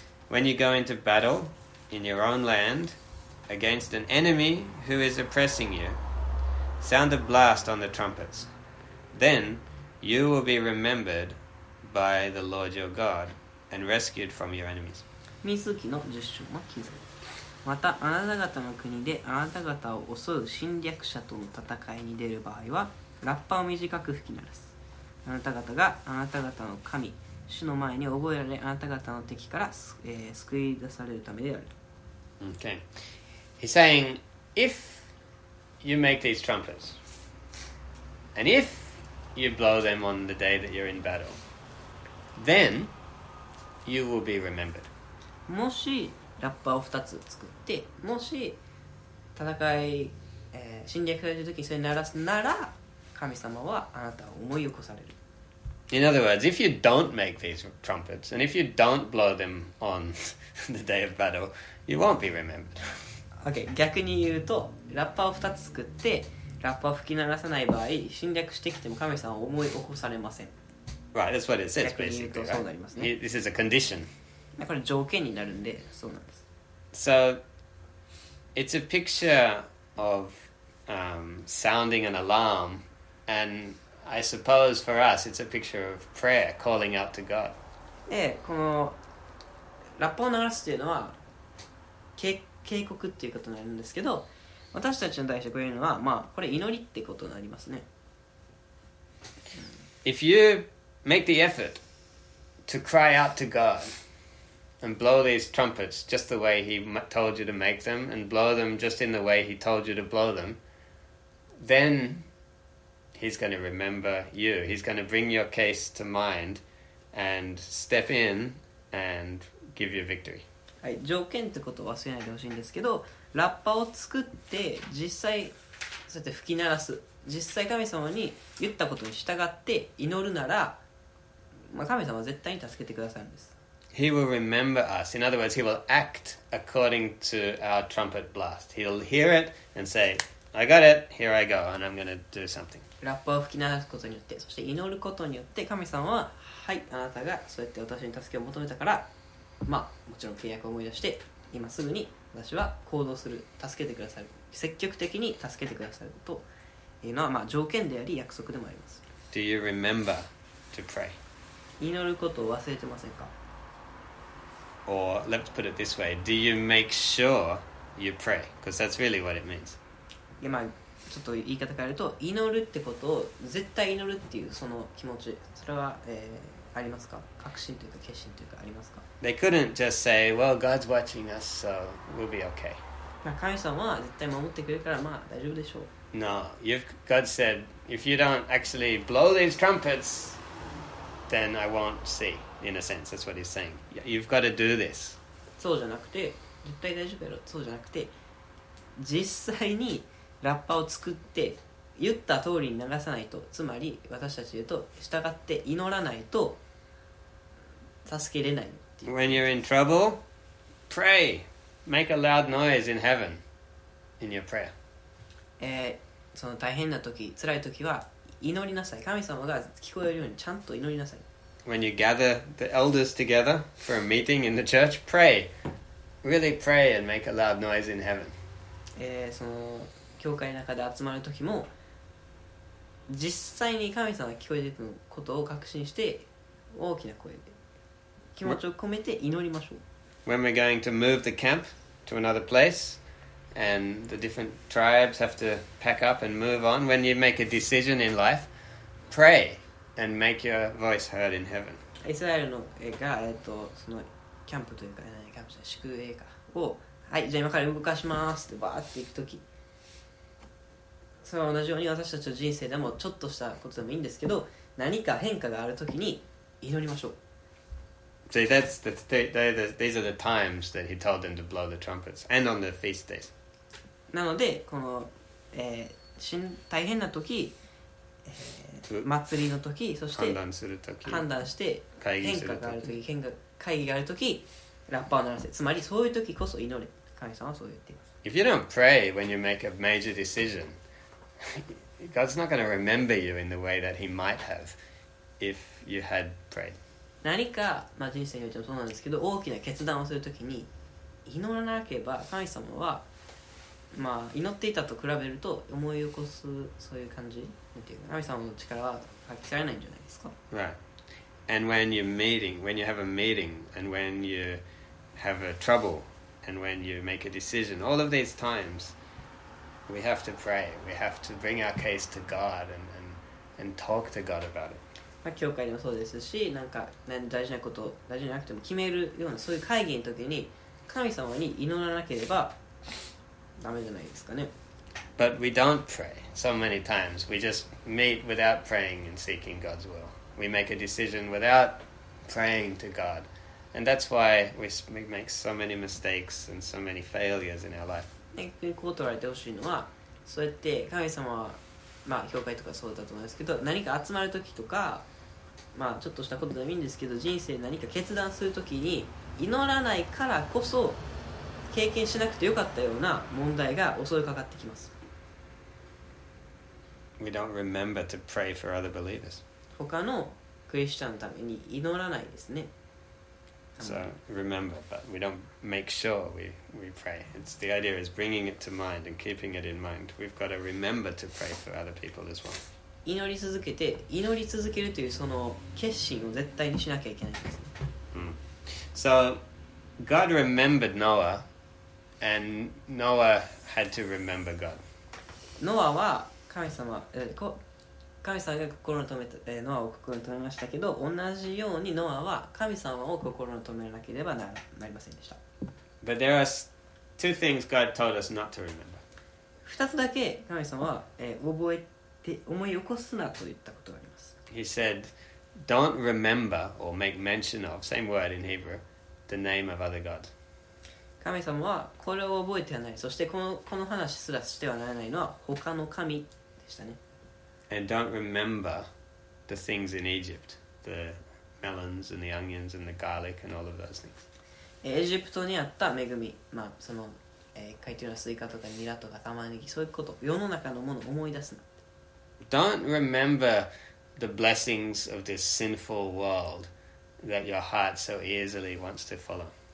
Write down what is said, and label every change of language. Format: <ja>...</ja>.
<en>When you go into battle in your own land,Against an enemy who is oppressing you, sound a blast on the trumpets. Then you will be remembered by the Lord your God and rescued from your enemies.</en> <ja>民数記の10章の9節。また、あなた方の国であなた方を襲う侵略者との戦いに出る場合は、ラッパを短く吹き鳴らす。あなた方があなた方の神、主の前に覚えられ、あなた方の敵から、救い出されるためである。</ja> <en>Okay. He's saying, if you make these trumpets, and if you blow them on the day that you're in battle, then you will be remembered.</en> <ja>もしラッパを2つ作って、もし戦い、侵略されるときにそれ鳴らすなら、神様はあなたを思い起こされる。</ja> <en>In other words, if you don't make these trumpets, and if you don't blow them on the day of battle, you won't be remembered.</en> <ja>Okay, 逆に言うと、ラッパを2つ作って、ラッパを吹き鳴らさない場合、侵略してきても神様は思い起こされません。</ja> <en>Right, that's what it says, basically.</en> <ja>逆に言うとそうなりますね。</ja> <en>This is a condition.</en> <ja>これ条件になるんで、そうなんです。</ja> <en>So, it's a picture of sounding an alarm And I suppose for us, it's a picture of prayer calling out to God.</en> <ja>ええ、このラッパを鳴らすというのは警告っていうことになるんですけど、私たちに対してこういうのは、まあ、これ祈りってことになりますね。</ja> <en>If you make the effort to cry out to God and blow these trumpets just the way He told you to make them and blow them just in the way He told you to blow them, then He's going to remember you. He's going to bring your case to mind and step in and give you victory.</en> <ja>はい、条件ってことを忘れないでほしいんですけど、ラッパを作って実際そうやって吹き鳴らす、実際神様に言ったことに従って祈るなら、まあ、神様は絶対に助けてくださるんです。</ja> <en>He will remember us. In other words, He will act according to our trumpet blast. He'll hear it and say, I got it, here I go, and I'm going to do something.</en> <ja>ラッパを吹き鳴らすことによって、そして祈ることによって、神様は、はい、あなたがそうやって私に助けを求めたから、まあ、もちろん契約を思い出して、今すぐに私は行動する、助けてくださる、積極的に助けてくださると、いうのは、まあ、条件であり、約束でもあります。</ja> <en>Do you remember to pray?</en> <ja>祈ることを忘れてませんか?</ja> <en>Or, let's put it this way, do you make sure you pray? Because that's really what it means.</en> <ja>いや、まあ、ちょっと言い方変えると、祈るってことを絶対祈るっていうその気持ち、それは、ありますか? 確信というか決心というかありますか?</ja> <en>They couldn't just say, well, God's watching us, so we'll be okay.</en> <ja>まあ、神様は絶対守ってくれるから、まあ大丈夫でしょう。</ja> <en>No, God said, if you don't actually blow these trumpets, then I won't see, in a sense. That's what he's saying. You've got to do this.</en> <ja>そうじゃなくて、絶対大丈夫やろ。そうじゃなくて、実際にラッパを作って、言った通りに流さないと、つまり私たち言うと、従って祈らないと、助けれないっていう。</ja> <en>When you're in trouble, pray. Make a loud noise in heaven, in your prayer.</en> <ja>その大変な時、辛い時は祈りなさい。神様が聞こえるようにちゃんと祈りなさい。</ja> <en>When you gather the elders together for a meeting in the church, pray. Really pray and make a loud noise in heaven.</en> <ja>その教会の中で集まる時も、実際に神様が聞こえてくることを確信して、大きな声で気持ちを込めて祈りましょう。</ja> <en>When we're going to move the camp to another place,And the different tribes have to pack up and move on. When you make a decision in life, pray and make your voice heard in heaven.</en> <ja>イスラエルのがそのキャンプというか何キャンプじゃ宿営かをはいじゃあ今から動かしますってバーって行くとき、それは同じように私たちの人生でもちょっとしたことでもいいんですけど、何か変化があるときに祈りましょう。</ja> <en>See, that's these are the times that he told them to blow the trumpets, and on the feast days.</en> <ja>なのでこの、大変な時、祭りの時、そして判断する時、判断して変化がある時、会議がある時、ラッパーを鳴らせ。つまりそういう時こそ祈れ。神様はそう言っています。</ja> <en>If you don't pray when you make a major decision, God's not going to remember you in the way that He might have if you had prayed.</en> <ja>何か、まあ、人生においてもそうなんですけど、大きな決断をするときに祈らなければ神様は、まあ、祈っていたと比べると思い起こすそういう感じっていうか、神様の力は発揮されないんじゃないですか。</ja> <en>Right. And when you're meeting, when you have a meeting, and when you have a trouble, and when you make a decision, all of these times we have to pray, we have to bring our case to God and talk to God about it.</en> <ja>教会でもそうですし、なんか大事なこと大事じゃなくても決めるようなそういう会議の時に神様に祈らなければダメじゃないですかね。</ja> <en>But we don't pray so many times. We just meet without praying and seeking God's will. We make a decision without praying to God, and that's why we make so many mistakes and so many failures in our life.</en> <ja>逆にこう取られてほしいのは、そうやって神様は。まあ、教会とかそうだと思いますけど、何か集まるときとか、まあ、ちょっとしたことでもいいんですけど、人生何か決断するときに祈らないからこそ経験しなくてよかったような問題が襲いかかってきます。</ja> <en>We don't remember to pray for other believers.</en> <ja>他のクリスチャンのために祈らないですね。</ja> <en>So remember, but we don't make sure we pray. It's the idea is bringing it to mind and keeping it in mind. We've got to remember to pray for other people as well.</en> <ja>祈り続けて、祈り続けるというその決心を絶対にしなきゃいけないんですね。</ja> <en>So God remembered Noah, and Noah had to remember God.</en> <ja>Noah は神様、神様が心を止めた、ノアを心を止めましたけど、同じようにノアは神様を心を止めなければなりませんでした。</ja> <en>But there are two things God told us not to remember.</en> <ja>二つだけ神様は、覚えて思い起こすなと言ったことがあります。</ja> <en>He said, "Don't remember or make mention of same word in Hebrew the name of other gods."</en> <ja>神様はこれを覚えてはない。そしてこの話すらしてはならないのは他の神でしたね。</ja> <en>And don't remember the things in Egypt, the melons and the onions and the garlic and all of those things.</en> <ja>エジプトにあった恵み、まあその、海中のスイカとかニラとか玉ねぎ、そういうこと、世の中のものを思い出すな。</ja> <en>Don't remember the blessings of this sinful world that your heart so easily wants to follow.</en>